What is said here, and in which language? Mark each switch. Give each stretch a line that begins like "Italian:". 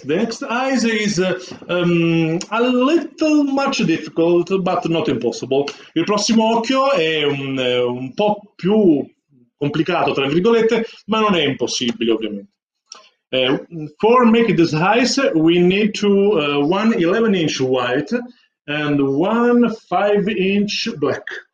English: The next eyes is a little much difficult, but not impossible.
Italian: Il prossimo occhio è un po' più complicato, tra virgolette, ma non è impossibile, ovviamente.
English: For making this eyes, we need to 1 11-inch white and 1 5-inch black.